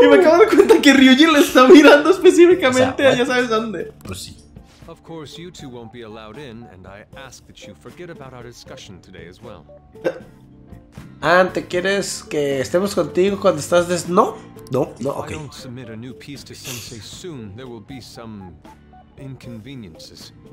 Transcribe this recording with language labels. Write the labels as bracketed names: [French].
[Spanish] Y me acabo de dar cuenta que Ryuji le está mirando específicamente, o sea, a ya sabes dónde. Pues sí. [English] Of course, you two won't be allowed in, and I ask that you forget about our discussion today as well. [Spanish] Anne, ¿te quieres que estemos contigo cuando estás des... No. No, ok. [English] If I don't submit a new piece to Sensei soon, there will be some inconveniences.